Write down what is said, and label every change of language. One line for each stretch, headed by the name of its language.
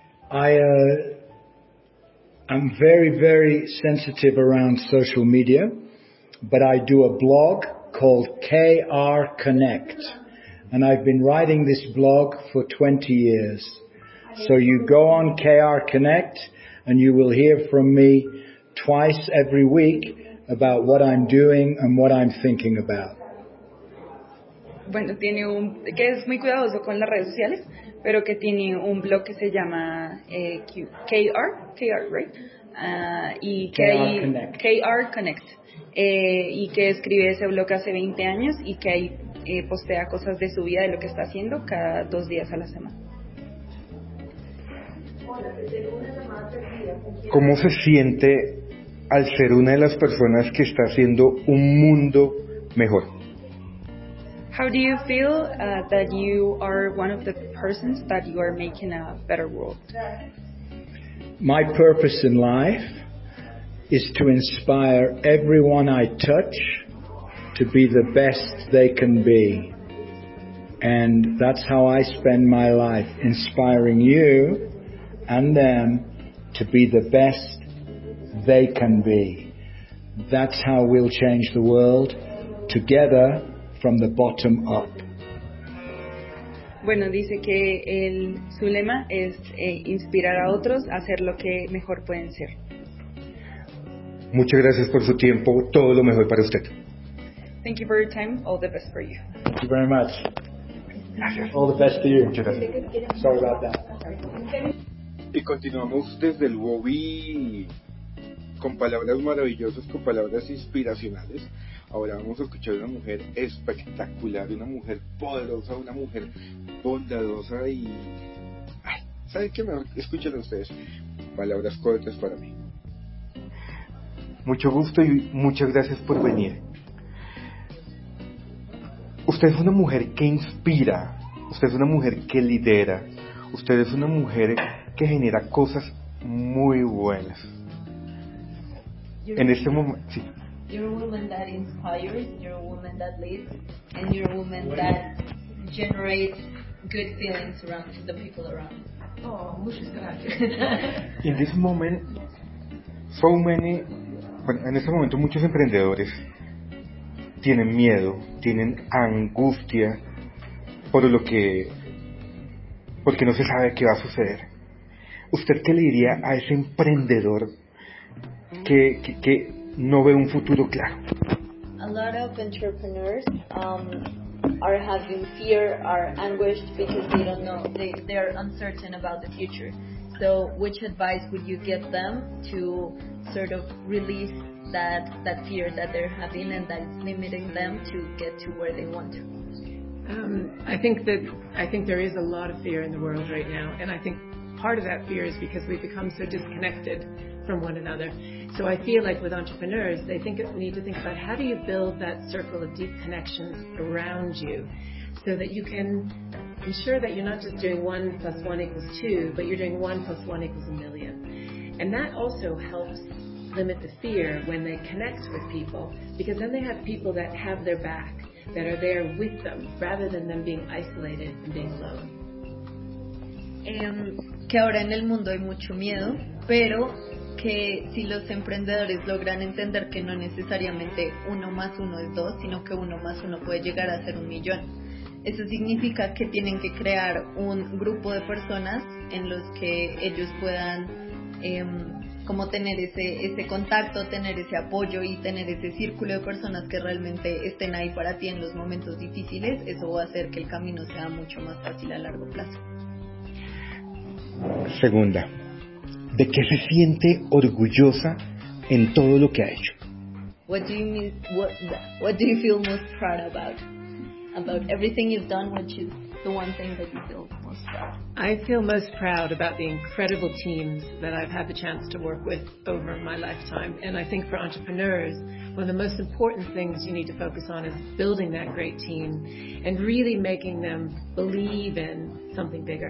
English: I'm very, very sensitive around social media, but I do a blog called KR Connect. And I've been writing this blog for 20 years. So you go on KR Connect and you will hear from me twice every week about what I'm doing and what I'm thinking about.
Spanish: Bueno, tiene un, que es muy cuidadoso con las redes sociales, pero que tiene un blog que se llama KR, right? y KR Connect, y que escribe ese blog hace 20 años y que ahí postea cosas de su vida, de lo que está haciendo cada 2 días a la semana. ¿Cómo se siente al ser una de las personas que está haciendo un mundo mejor?
English: How do you feel that you are one of the persons that you are making a better world? My purpose in life is to inspire everyone I touch to be the best they can be. And that's how I spend my life, inspiring you and them to be the best they can be. That's how we'll change the world, together, from the bottom up.
Spanish: Bueno, dice que el su lema es inspirar a otros a hacer lo que mejor pueden ser. Muchas gracias por su tiempo. Todo lo mejor para usted.
English: Thank you for your time. All the best for you. Thank you very much.
Spanish: Gracias.
English: All the best to you.
Spanish: Muchas gracias.
English: Sorry about that.
Spanish: Y continuamos desde el Wobby con palabras maravillosas, con palabras inspiracionales. Ahora vamos a escuchar a una mujer espectacular, una mujer poderosa, una mujer bondadosa y... ¿saben qué? Escúchenlo ustedes. Palabras cortas para mí. Mucho gusto y muchas gracias por venir. Usted es una mujer que inspira, usted es una mujer que lidera, usted es una mujer que genera cosas muy buenas. En este momento... Sí.
English: You're a woman that inspires, you're a woman that leads, and you're a woman that generates good feelings around the people around.
Spanish: Oh, muchas gracias.
English: In this moment, so many,
Spanish: bueno, en este momento muchos emprendedores tienen miedo, tienen angustia por lo que, porque no se sabe qué va a suceder. ¿Usted qué le diría a ese emprendedor que no ve un futuro claro?
English: A lot of entrepreneurs are having fear, are anguished because they don't know, they are uncertain about the future. So which advice would you give them to sort of release that fear that they're having and that's limiting them to get to where they want to? I think there is a lot of fear in the world right now, and I think part of that fear is because we've become so disconnected from one another. So I feel like with entrepreneurs, we need to think about how do you build that circle of deep connections around you so that you can ensure that you're not just doing 1 + 1 = 2, but you're doing 1 + 1 = a million. And that also helps limit the fear when they connect with people, because then they have people that have their back, that are there with them, rather than them being isolated and being alone.
Spanish: Que ahora en el mundo hay mucho miedo, pero que si los emprendedores logran entender que no necesariamente 1 + 1 = 2, sino que 1 + 1 puede llegar a ser 1 millón. Eso significa que tienen que crear un grupo de personas en los que ellos puedan como tener ese contacto, tener ese apoyo y tener ese círculo de personas que realmente estén ahí para ti en los momentos difíciles. Eso va a hacer que el camino sea mucho más fácil a largo plazo. Segunda. ¿De qué se siente orgullosa en todo lo que ha hecho?
English: What do you feel most proud about everything you've done, which is the one thing that you feel most proud? I feel most proud about the incredible teams that I've had the chance to work with over my lifetime, and I think for entrepreneurs, one of the most important things you need to focus on is building that great team and really making them believe in something bigger.